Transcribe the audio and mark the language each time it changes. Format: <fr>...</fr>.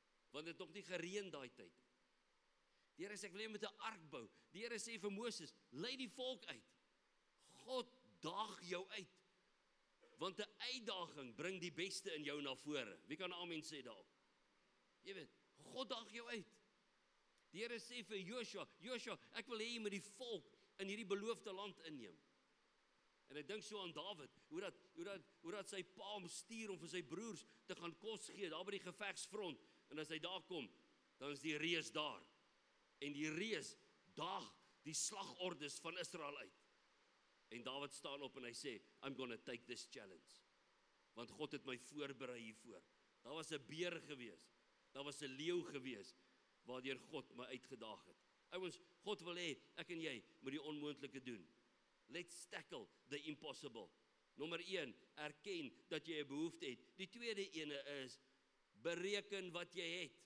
<af>Want dit het nog nie gereën daai tyd. Die Here sê, ek wil jy met 'n ark bou. Die Here sê vir Moses, lei die volk uit. God daag jou uit. Want 'n uitdaging bring die beste in jou na vore. Wie kan amen sê daar? Jy weet, God daag jou uit. Die Here sê vir Joshua, Joshua, ek wil hê jy moet die volk in hierdie beloofde land inneem. En ek dink so aan Dawid, hoe dat sy pa hom stuur om vir sy broers te gaan kos gee daar by die gevegsfront. En as hy daar kom, dan is die reus daar. En die reus daag die slagordes van Israel uit. En Dawid staan op en hy sê,</af> <en>I'm going to take this challenge.</en> <af>Want God het my voorberei hiervoor. Daar was 'n beer gewees. Daar was 'n leeu gewees waardeur God my uitgedaag het. Ouens, God wil hê ek en jy moet die onmoontlike doen.</af> <en>Let's tackle the impossible.</en> <af>Nommer 1, erken dat jy 'n behoefte het. Die tweede ene is bereken wat jy het.</af>